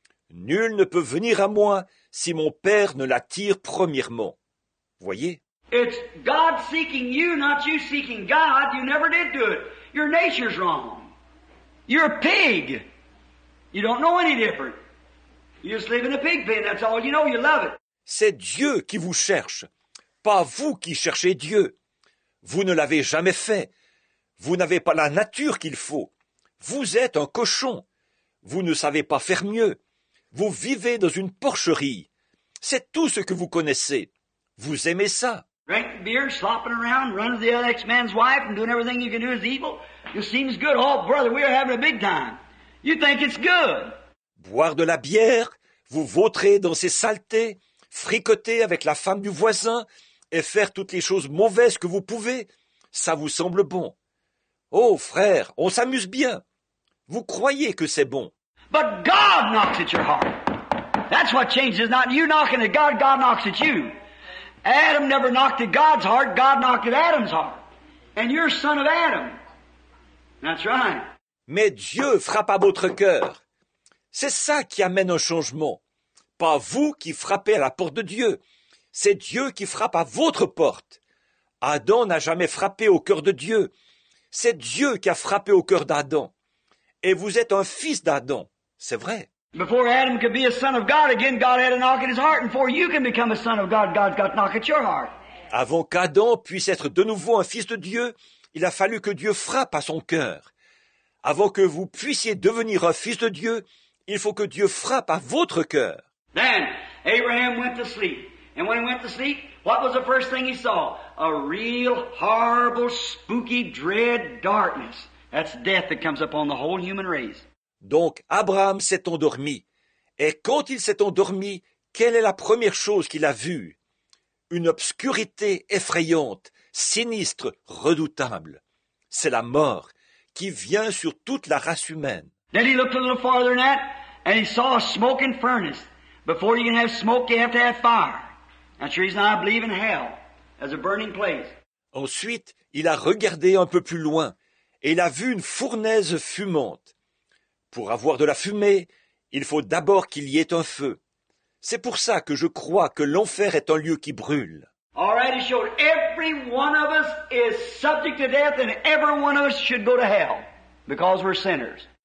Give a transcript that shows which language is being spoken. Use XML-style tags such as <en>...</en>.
<fr>Nul ne peut venir à moi si mon Père ne l'attire premièrement. Voyez.</fr> <en>It's God seeking you, not you seeking God. You never did do it. Your nature's wrong. You're a pig. You don't know any different. You just live in a pig pen. That's all you know. You love it.</en> <fr>C'est Dieu qui vous cherche, pas vous qui cherchez Dieu. Vous ne l'avez jamais fait. Vous n'avez pas la nature qu'il faut. Vous êtes un cochon. Vous ne savez pas faire mieux. Vous vivez dans une porcherie. C'est tout ce que vous connaissez. Vous aimez ça.</fr> <en>Drink beer, slopping around, running the other man's wife, and doing everything you can do is evil. It seems good. Oh, brother, we are having a big time. You think it's good.</en> <fr>Boire de la bière, vous vautrer dans ces saletés, fricoter avec la femme du voisin, et faire toutes les choses mauvaises que vous pouvez, ça vous semble bon. Oh, frère, on s'amuse bien. Vous croyez que c'est bon.</fr> <en>But God knocks at your heart. That's what changes. Not you knocking at God, God knocks at you. Adam never knocked at God's heart. God knocked at Adam's heart. And you're son of Adam. That's right.</en> <fr>Mais Dieu frappe à votre cœur. C'est ça qui amène un changement. Pas vous qui frappez à la porte de Dieu. C'est Dieu qui frappe à votre porte. Adam n'a jamais frappé au cœur de Dieu. C'est Dieu qui a frappé au cœur d'Adam. Et vous êtes un fils d'Adam. C'est vrai.</fr> <en>Before Adam could be a son of God, again God had a knock at his heart. And before you can become a son of God, God's got a knock at your heart.</en> <fr>Avant qu'Adam puisse être de nouveau un fils de Dieu, il a fallu que Dieu frappe à son cœur. Avant que vous puissiez devenir un fils de Dieu, il faut que Dieu frappe à votre cœur.</fr> <en>Then Abraham went to sleep. And when he went to sleep, what was the first thing he saw? A real horrible, spooky, dread darkness. That's death that comes upon the whole human race.</en> <fr>Donc, Abraham s'est endormi. Et quand il s'est endormi, quelle est la première chose qu'il a vue? Une obscurité effrayante, sinistre, redoutable. C'est la mort qui vient sur toute la race humaine.</fr> <en>Then he looked a little farther than that, and he saw a smoking furnace. Before you can have smoke, you have to have fire. That's the reason I believe in hell, as a burning place.</en> <fr>Ensuite, il a regardé un peu plus loin, et il a vu une fournaise fumante. Pour avoir de la fumée, il faut d'abord qu'il y ait un feu. C'est pour ça que je crois que l'enfer est un lieu qui brûle.</fr> <en>All right, he showed every one of us is subject to death, and every one of us should go to hell, because we're sinners.</en>